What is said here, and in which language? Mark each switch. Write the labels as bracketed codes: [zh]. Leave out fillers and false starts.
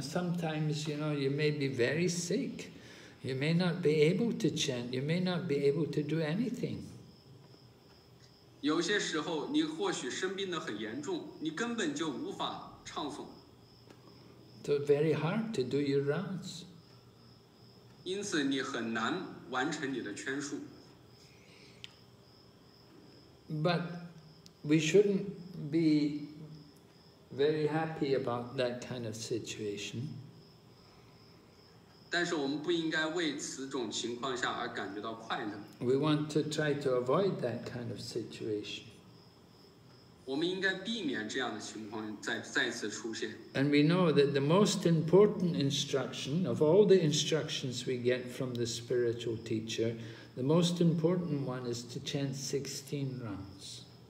[en] sometimes you know you may be very sick, you may not be able to chant, you may not be able to do anything. [zh] 有些时候你或许生病的很严重，你根本就无法唱诵。 [en] So very hard to do your rounds. [zh] 因此你很难完成你的圈数。 [en] But we shouldn't be very happy about that kind of situation. [zh] 但是我们不应该为此种情况下而感觉到快乐。 [en] We want to try to avoid that kind of situation. [zh] 我们应该避免这样的情况再次出现。 [en] And we know that the most important instruction of all the instructions we get from the spiritual teacher, the most important one is to chant 16 rounds.